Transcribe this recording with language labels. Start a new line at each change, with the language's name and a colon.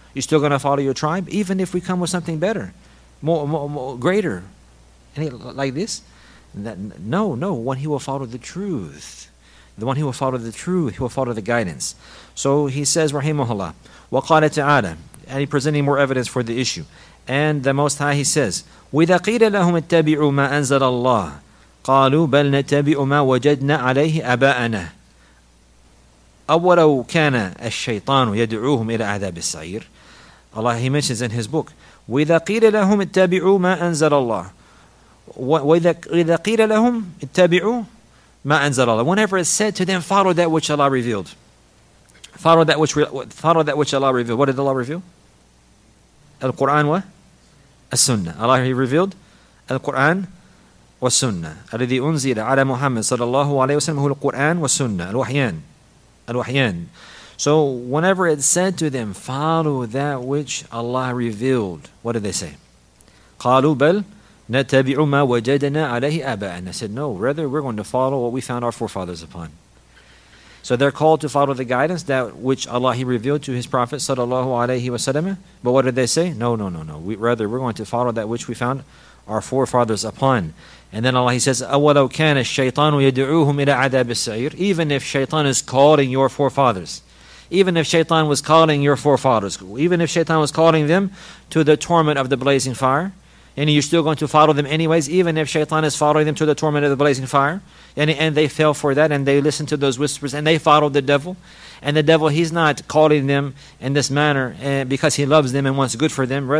English: You still going to follow your tribe? Even if we come with something better, More greater, like this? No. The one who will follow the truth, he will follow the guidance. So he says, Rahimahullah,
Arabic: وَقَالَ تَعَالَى,
English: and he's presenting more evidence for the issue. And the Most High, he says,
Arabic: وَإِذَا قِيلَ لَهُمْ اتَّبِعُوا مَا أَنزَلَ اللَّهُ قَالُوا بَلْ نَتَّبِعُ مَا وَجَدْنَا عَلَيْهِ أَبَاءَنَا أَوَّلَوْ كَانَ الشَّيْطَانُ يَدْعُوهُمْ إِلَى عَذَابِ السَّعِيرِ.
English: Allah, he mentions in his book,
Arabic: وَإِذَا قِيلَ لَهُمْ اتَّبِعُوا مَا أَنزَلَ اللَّهُ وَإِذَا قِيلَ لَهُمْ اتَّبِعُوا مَا أَنزَلَ اللَّهُ.
English: Whenever it's said to them, follow that which Allah revealed. What did Allah reveal? Al-Qur'an wa As-Sunnah. Allah, He revealed Al-Qur'an wa As-Sunnah.
Arabic: Al-Ladhi unzila ala Muhammad sallallahu alayhi wa sallam,
English: Al-Qur'an wa As-Sunnah. Al-Wahyan. al-wahyan. So whenever it said to them, follow that which Allah revealed, what did they say?
Arabic: قَالُوا بَلْ نَتَّبِعُ مَا وَجَدَنَا عَلَيْهِ أَبَاءَنَا.
English: Said, no, rather we're going to follow what we found our forefathers upon. So they're called to follow the guidance that which Allah He revealed to His Prophet sallallahu alaihi wasallam. But what did they say? No. We're going to follow that which we found our forefathers upon. And then Allah He says,
Arabic: أَوَلَوْ كَانَ الشَّيْطَانُ يَدْعُوهُمْ إِلَى عَذَابِ السَّعِيرِ.
English: Even if Shaytan is calling your forefathers, even if Shaytan was calling your forefathers, even if Shaytan was calling them to the torment of the blazing fire, and you're still going to follow them anyways, even if Shaytan is following them to the torment of the blazing fire, and they fell for that, and they listened to those whispers, and they followed the devil, and the devil, he's not calling them in this manner because he loves them and wants good for them.